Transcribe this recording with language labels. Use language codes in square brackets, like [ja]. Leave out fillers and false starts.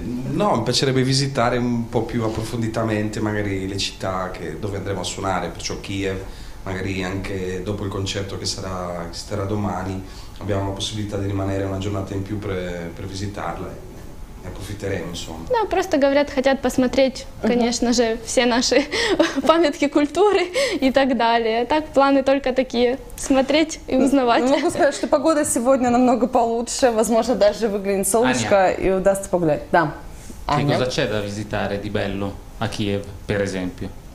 [it] No, mi piacerebbe visitare un po' più approfonditamente magari le città che, dove andremo a suonare, perciò Kiev, magari anche dopo il concerto che sarà domani, abbiamo la possibilità di rimanere una giornata in più per visitarla. [ru] Да, просто говорят, хотят посмотреть, конечно же, все наши памятки культуры и так далее. Так, планы только такие, смотреть и узнавать. Могу сказать, что погода сегодня намного получше, возможно, даже выглянет солнышко и удастся погулять. Да. [it] Che cosa c'è da visitare di bello a Kiev, per esempio?